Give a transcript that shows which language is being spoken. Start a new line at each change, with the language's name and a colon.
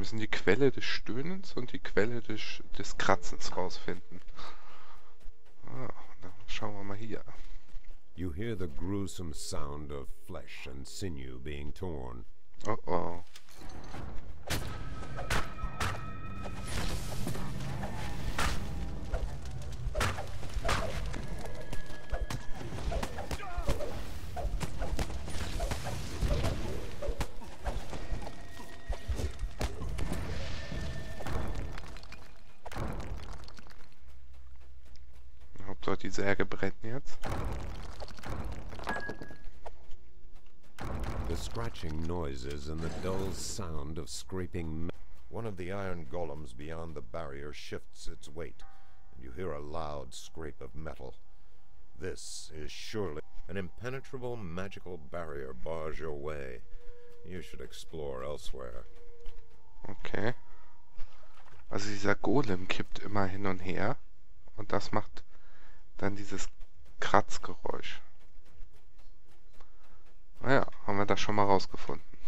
German: Quelle des Stöhnens und die Quelle des Kratzens rausfinden. Ah, dann schauen wir mal hier.
English: You hear the gruesome sound of flesh and sinew being torn. Oh oh.
German: Die Särge brennen jetzt.
English: The scratching noises and the dull sound of scraping. One of the iron golems beyond the barrier shifts its weight, and you hear a loud scrape of metal. This is surely an impenetrable magical barrier bars your way. You should explore elsewhere. Okay.
German: Also dieser Golem kippt immer hin und her, und das macht dann dieses Kratzgeräusch. Naja, haben wir das schon mal rausgefunden.